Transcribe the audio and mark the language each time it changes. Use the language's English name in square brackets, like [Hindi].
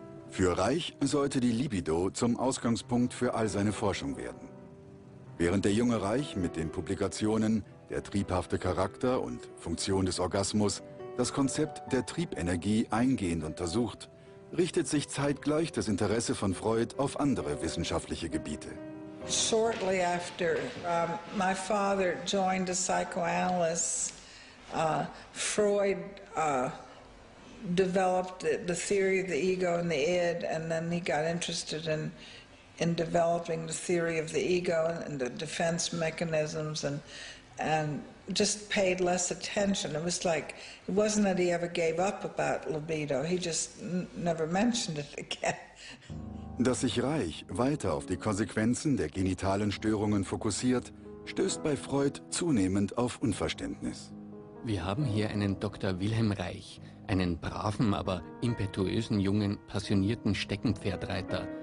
[German] Für Reich sollte die Libido zum Ausgangspunkt für all seine Forschung werden. Während der junge Reich mit den Publikationen Der triebhafte Charakter und Funktion des Orgasmus das Konzept der Triebenergie eingehend untersucht, richtet sich zeitgleich das Interesse von Freud auf andere wissenschaftliche Gebiete. [English] Shortly after my father joined a psychoanalyst, Freud developed the theory of the ego and the id, and then he got interested in developing the theory of the ego and the defense mechanisms and just paid less attention. It was like, it wasn't that he ever gave up about libido, he just never mentioned it again. [German] Dass sich Reich weiter auf die Konsequenzen der genitalen Störungen fokussiert, stößt bei Freud zunehmend auf Unverständnis. Wir haben hier einen Dr. Wilhelm Reich, einen braven, aber impetuösen jungen, passionierten Steckenpferdreiter,